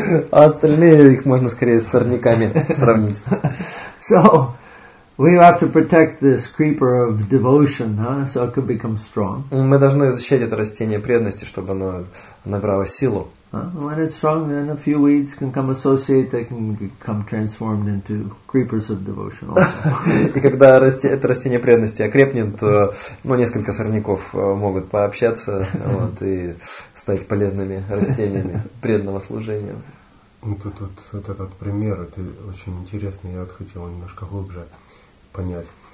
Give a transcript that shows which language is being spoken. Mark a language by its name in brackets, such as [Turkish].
[Russian] А остальные их можно скорее с сорняками сравнить. [English] So, we have to protect this creeper of devotion, huh, so it could become strong. [Russian] Мы должны защищать это растение преданности, чтобы оно набрало силу. [English] When it's strong, then a few weeds can come associate, they can become transformed into creepers of devotion also. [Russian] И когда это растение преданности окрепнет, то несколько сорняков могут пообщаться и стать полезными растениями преданного служения. Тут вот этот пример, это очень интересно, я хотел немножко глубже понять.